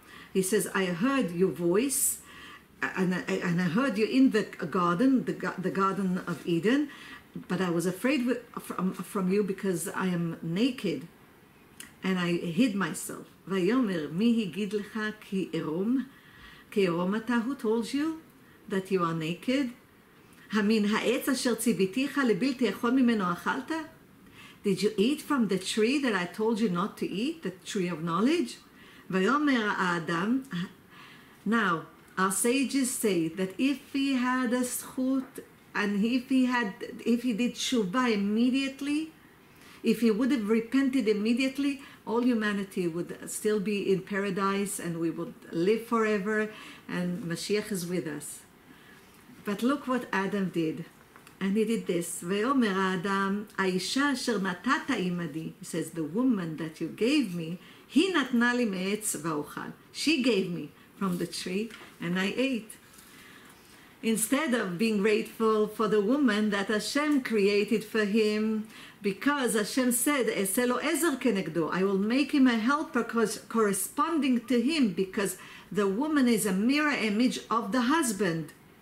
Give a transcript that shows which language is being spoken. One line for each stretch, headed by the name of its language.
English: Adam says, I heard your voice, and I heard you in the garden of Eden, but I was afraid from you because I am naked, and I hid myself.
Hebrew: ויאמר, מי הגיד לך כי ערום? כי ערום אתה,
English: who told you that you are naked?
Hebrew: המין העץ אשר ציוויתיך לבלתי אכול ממנו אכלת?
English: Did you eat from the tree that I told you not to eat, the tree of knowledge?
Hebrew: ויאמר האדם,
English: now, our sages say that if he had a schut, and if he did tshuva immediately, if he would have repented immediately, all humanity would still be in paradise and we would live forever and Mashiach is with us. But look what Adam did. And he did this.
Hebrew: ואומר האדם, האישה אשר נתת עמדי,
English: he says, the woman that you gave me,
Hebrew: היא נתנה לי מעץ ואוכל.
English: She gave me from the tree and I ate. Instead of being grateful for the woman that Hashem created for him, because Hashem said,
Hebrew: "Eseh lo ezer kenegdo,"
English: I will make him a helper corresponding to him, because the woman is a mirror image of the husband.